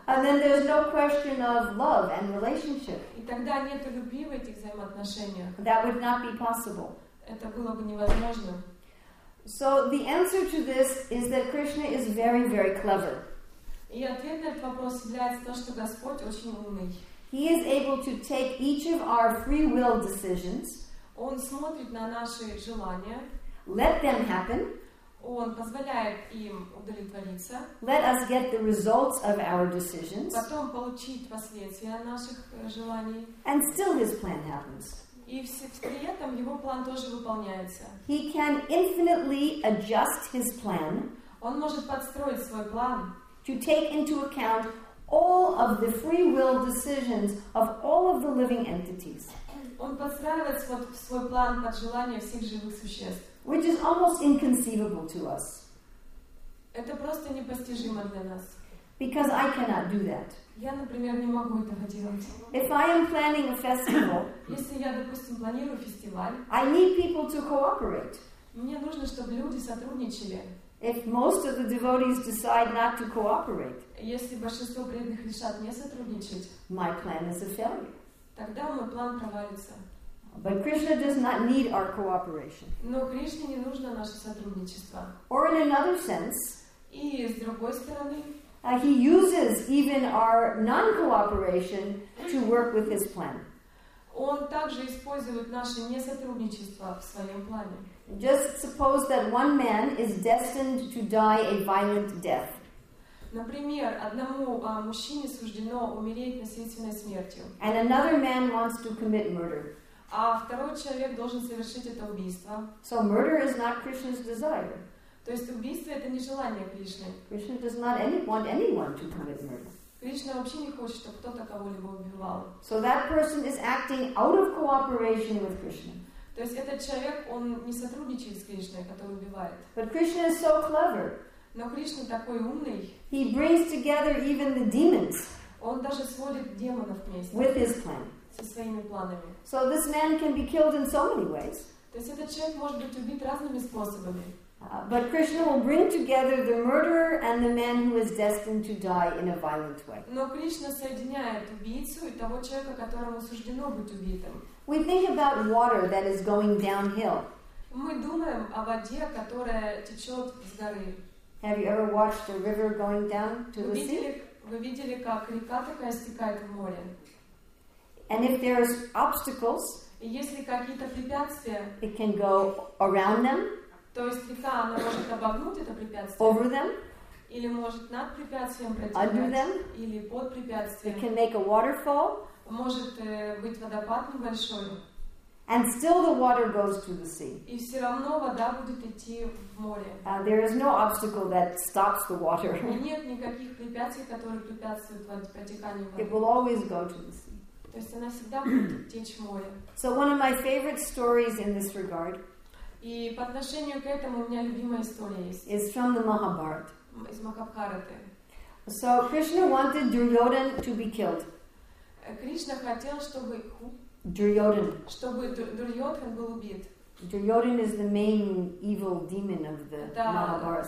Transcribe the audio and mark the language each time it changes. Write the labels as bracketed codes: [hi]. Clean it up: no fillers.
[en] And then there's no question of love and relationship. [ru] И тогда нет любви в этих взаимоотношениях. [en] That would not be possible. [ru] Это было бы невозможно. [en] So the answer to this is that Krishna is very, very clever. [ru] И ответ на этот вопрос является то, что Господь очень умный. [en] He is able to take each of our free will decisions. [ru] Он смотрит на наши желания. [en] Let them happen. [ru] Он позволяет им удовлетвориться. [en] Let us get the results of our decisions. [ru] Потом получить последствия наших желаний. [en] And still his plan happens. [ru] И при этом его план тоже выполняется. [en] He can infinitely adjust his plan. [ru] Он может подстроить свой план. [en] To take into account all of the free will decisions of all of the living entities. [ru] Он подстраивает свой план под желания всех живых существ. [en] Which is almost inconceivable to us. [ru] Это просто непостижимо для нас. [en] Because I cannot do that. [ru] Я, например, не могу этого делать. [en] If I am planning a festival, [ru] если я, допустим, планирую фестиваль, [en] I need people to cooperate. [ru] Мне нужно, чтобы люди сотрудничали. [en] If most of the devotees decide not to cooperate, [ru] если большинство преданных решат не сотрудничать, [en] my plan is a failure. [ru] Тогда мой план провалится. [en] But Krishna does not need our cooperation. [ru] Но Кришне не нужно наше сотрудничество. [en] Or in another sense, [ru] и с другой стороны, [en] he uses even our non-cooperation to work with his plan. [ru] Он также использует наше несотрудничество в своем плане. [en] Just suppose that one man is destined to die a violent death. [ru] Например, одному мужчине суждено умереть насильственной смертью. [en] And another man wants to commit murder. [ru] А второй человек должен совершить это убийство. [en] So murder is not Krishna's desire. [ru] То есть убийство это не желание Кришны. [en] Krishna does not want anyone to commit murder. [ru] Кришна вообще не хочет, чтобы кто-то кого-либо убивал. [en] So that person is acting out of cooperation with Krishna. [ru] То есть этот человек, он не сотрудничает с Кришной, который убивает. [en] But Krishna is so clever. [ru] Но Кришна такой умный. [en] He brings together even the demons. [ru] Он даже сводит демонов вместе. [en] With his plan. [ru] Со своими планами. [en] So this man can be killed in so many ways. [ru] То есть этот человек может быть убит разными способами. [en] But Krishna will bring together the murderer and the man who is destined to die in a violent way. [ru] Но Кришна соединяет убийцу и того человека, которому суждено быть убитым. [en] We think about water that is going downhill. [ru] Мы думаем о воде, которая течет с горы. [en] Have you ever watched a river going down to the sea? [ru] Вы видели, как река такая стекает в море? [en] And if there are obstacles, [ru] и если какие-то препятствия, [en] it can go around them. [ru] То есть река, она может обогнуть это препятствие. [en] Over them. [ru] Или может над препятствием пройти. [en] Under them. [ru] Или под препятствием. [en] It can make a waterfall. [ru] Может быть водопад небольшой. [en] And still the water goes to the sea. [ru] И все равно вода будет идти в море. [en] There is no obstacle that stops the water. [ru] И нет никаких препятствий, которые препятствуют протеканию воды. [en] It will always go to the sea. [ru] То есть она всегда будет течь в море. [en] So one of my favorite stories in this regard. [ru] И по отношению к этому у меня любимая история есть. [en] Is from the Mahabharata. [ru] Из Махабхараты. [en] So Krishna wanted Duryodhan to be killed. [ru] Кришна хотел, чтобы [en] Duryodhan. [ru] Чтобы Дурьотхан был убит. [en] Duryodhan is the main evil demon of the Mahabharata.